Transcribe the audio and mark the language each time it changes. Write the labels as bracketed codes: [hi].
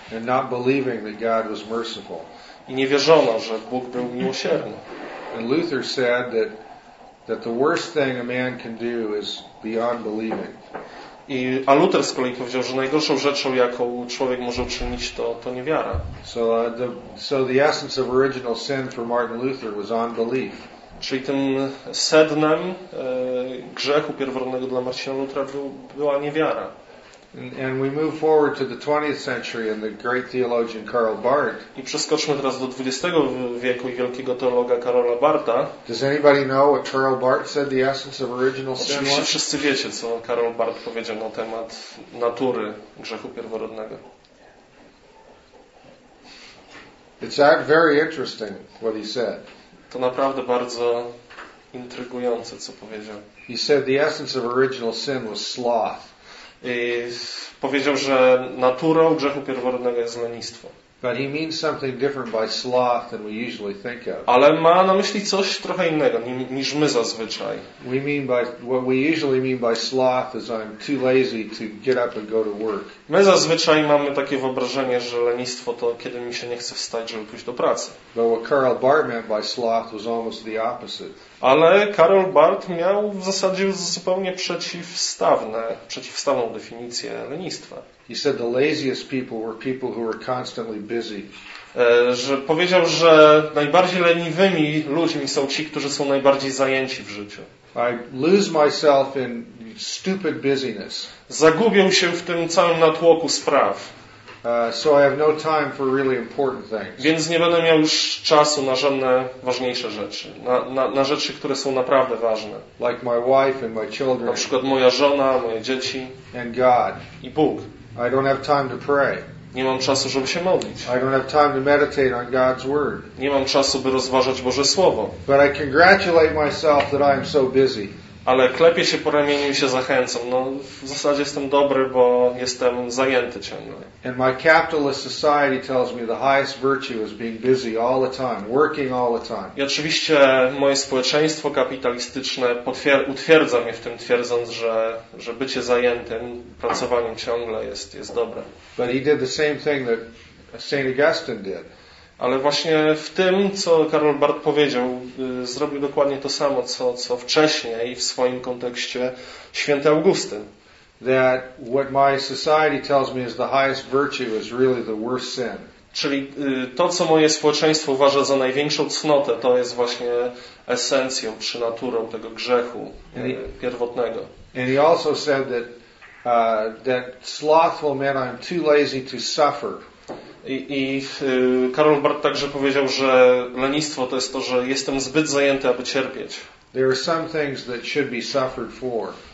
[en] And not believing that God was merciful. [pl] I nie wierzono, że Bóg był miłosierny. [en] And Luther said that the worst thing a man can do is beyond believing. [pl] A Luther z kolei powiedział, że najgorszą rzeczą, jaką człowiek może uczynić, to niewiara. [en] So the essence of original sin for Martin Luther was unbelief. [pl] Czyli tym sednem grzechu pierworodnego dla Marcina Lutra była niewiara. [en] And we move forward to the 20th century and the great theologian Karl Barth. [pl] I przeskoczmy teraz do XX wieku i wielkiego teologa Karola Bartha. [en] Does anybody know what Karl Barth said the essence of original sin was? [pl] Wszyscy wiecie, co Karol Barth powiedział na temat natury grzechu pierworodnego. [en] It's very interesting what he said. [pl] To naprawdę bardzo intrygujące, co powiedział. [en] He said the essence of original sin was sloth. [pl] I powiedział, że naturą grzechu pierworodnego jest lenistwo. [en] But he means something different by sloth than we usually think of. [pl] Ale ma na myśli coś trochę innego niż my zazwyczaj. [en] We mean by what we usually mean by sloth is I'm too lazy to get up and go to work. [pl] My zazwyczaj mamy takie wyobrażenie, że lenistwo to kiedy mi się nie chce wstać, żeby pójść do pracy. [en] But what Karl Barth meant by sloth was almost the opposite. [pl] Ale Karl Barth miał w zasadzie zupełnie przeciwstawną definicję lenistwa. [en] He said the laziest people were people who were constantly busy. [pl] Że powiedział, że najbardziej leniwymi ludźmi są ci, którzy są najbardziej zajęci w życiu. [en] I lose myself in stupid busyness. [pl] Zagubię się w tym całym natłoku spraw. [en] So I have no time for really important things. [pl] Więc nie będę miał już czasu na żadne ważniejsze rzeczy, na rzeczy, które są naprawdę ważne. [en] Like my wife and my children. [pl] Na przykład moja żona, moje dzieci. [en] And God. [pl] I Bóg. [en] I don't have time to pray. [pl] Nie mam czasu, żeby się modlić. [en] I don't have time to meditate on God's word. [pl] Nie mam czasu, by rozważać Boże słowo. [en] But I congratulate myself that I am so busy. [pl] Ale klepię się po ramieniu i się zachęcam. No, w zasadzie jestem dobry, bo jestem zajęty ciągle. [en] And my capitalist society tells me the highest virtue is being busy all the time, working all the time. [pl] I oczywiście moje społeczeństwo kapitalistyczne utwierdza mnie w tym, twierdząc, że bycie zajętym, pracowaniem ciągle jest dobre. [en] But he did the same thing that Saint Augustine did. [pl] Ale właśnie w tym, co Karl Barth powiedział, zrobił dokładnie to samo, co wcześniej w swoim kontekście święty Augustyn. [en] That what my society tells me is the highest virtue is really the worst sin. [pl] Czyli to, co moje społeczeństwo uważa za największą cnotę, to jest właśnie esencją, przynaturą tego grzechu pierwotnego. [en] And he also said that slothful men, I'm too lazy to suffer. [pl] I Karol Barth także powiedział, że lenistwo to jest to, że jestem zbyt zajęty, aby cierpieć. [en] There are some things that should be suffered for.